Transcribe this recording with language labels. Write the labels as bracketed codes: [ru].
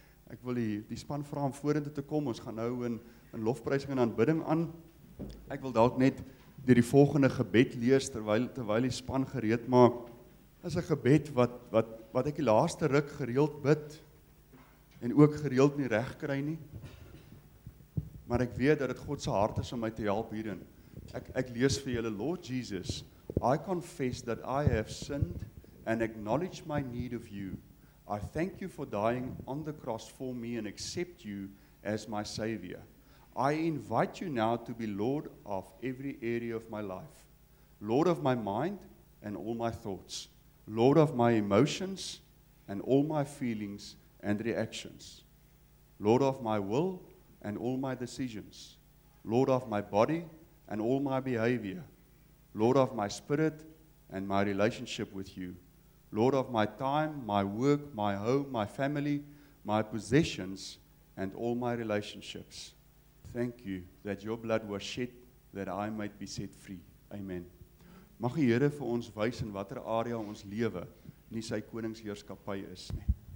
[af] Ek wil die span vra om vorentoe te kom. Ons gaan nou in lofprysing en aanbidding aan. Ek wil dalk net deur die volgende gebed lees terwyl die span gereed maak. Dit is 'n gebed wat ek die laaste ruk gereeld bid en ook gereeld nie reg kry nie. Maar ek weet dat dit God se hart is om my te help hierin. Ek lees vir julle, [en] Lord Jesus, I confess that I have sinned and acknowledge my need of you. I thank you for dying on the cross for me and accept you as my Savior. I invite you now to be Lord of every area of my life. Lord of my mind and all my thoughts. Lord of my emotions and all my feelings and reactions. Lord of my will and all my decisions. Lord of my body and all my behavior. Lord of my spirit and my relationship with you. Lord of my time, my work, my home, my family, my possessions, and all my relationships. Thank you that your blood was shed that I might be set free. Amen. [af] Mag die Here vir ons wys in watter area ons lewe nie sy koningsheerskappy is nie.